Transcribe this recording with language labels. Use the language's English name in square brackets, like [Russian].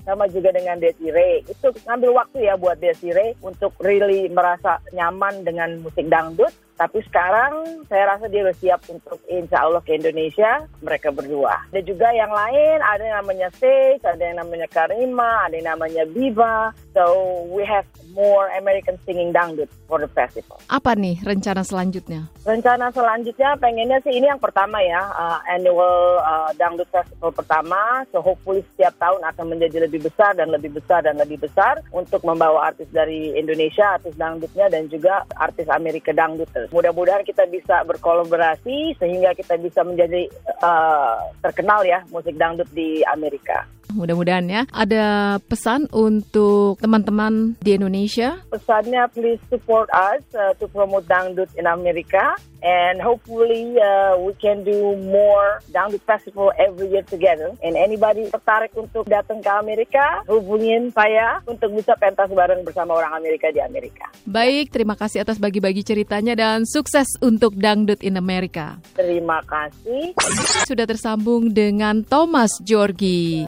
[Indonesian] Sama juga dengan Desiree. Itu ngambil waktu ya buat Desiree untuk really merasa nyaman dengan musik dangdut. Tapi sekarang saya rasa dia sudah siap untuk insya Allah ke Indonesia, mereka berdua. Ada juga yang lain, ada yang namanya Sage, ada yang namanya Karima, ada yang namanya Biba. [English] So we have more American singing dangdut for the festival. [Indonesian] Apa nih rencana selanjutnya? Rencana selanjutnya pengennya sih ini yang pertama ya, annual dangdut festival pertama. [English] So hopefully [Indonesian] setiap tahun akan menjadi lebih besar dan lebih besar dan lebih besar untuk membawa artis dari Indonesia, artis dangdutnya dan juga artis Amerika dangdut. Mudah-mudahan kita bisa berkolaborasi sehingga kita bisa menjadi terkenal ya musik dangdut di Amerika. Mudah-mudahan ya. Ada pesan untuk teman-teman di Indonesia? Pesannya [English] please support us to promote dangdut in America. And hopefully we can do more dangdut festival every year together. And anybody [Indonesian] tertarik untuk datang ke Amerika, hubungin saya untuk bisa pentas bareng bersama orang Amerika di Amerika. Baik, terima kasih atas bagi-bagi ceritanya dan sukses untuk [English] dangdut in America. [Indonesian] Terima kasih. Sudah tersambung dengan Thomas Georgi.